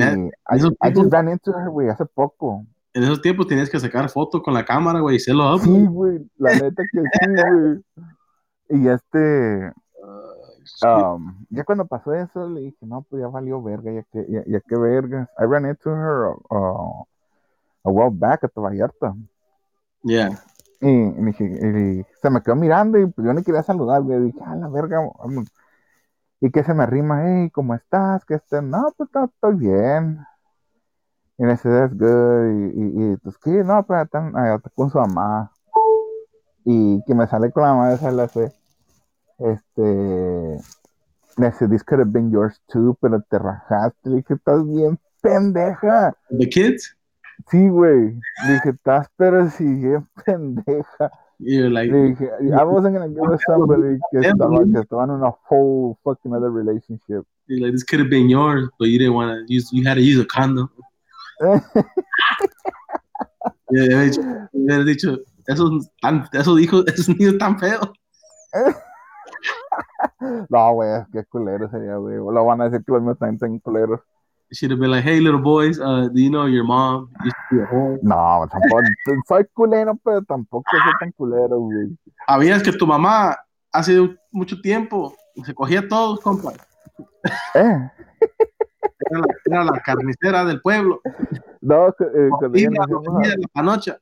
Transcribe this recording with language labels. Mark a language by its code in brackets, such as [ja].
[en] I just ran into her, güey, [es] hace poco. En esos tiempos tenías que sacar foto con la cámara, güey, y se lo up. Sí, güey, la neta que sí, güey. Y ya cuando pasó eso, le dije, no, pues ya valió verga, ya que verga. [en] I ran into her a while back at the Vallarta. Yeah. [es] Y se me quedó mirando y yo ni quería saludar, güey. Dije, la verga, vamos. Y que se me arrima, hey, ¿cómo estás? Que estén, no, pues estoy bien. Y me dice, [en] that's good. [es] Y pues, ¿qué? No, pues está con su mamá. Y que me sale con la mamá de esa, le hace, me dice, [en] this could have been yours too, [es] pero te rajaste. Le dije, estás bien, pendeja. [en] ¿The kids? [es] Sí, güey. Le dije, estás, pero sí, bien, pendeja. [en] You're like, I wasn't gonna give somebody because I'm in a whole fucking other relationship. You're like, this could have been yours, but you didn't want to use. You had to use a condom. Yeah, he said, [es] "Eso dijo, esos niños tan feos." No, güey, qué culero sería, güey. Lo van a decir que los niños están tan culeros. [en] Should have been like, hey, little boys, do you know your mom used to be a whore? [es] No, tampoco. Soy culero, pero tampoco soy tan culero, güey. ¿Sabías que tu mamá hace mucho tiempo se cogía a todos, compa? Era la carnicera del pueblo. No, cuando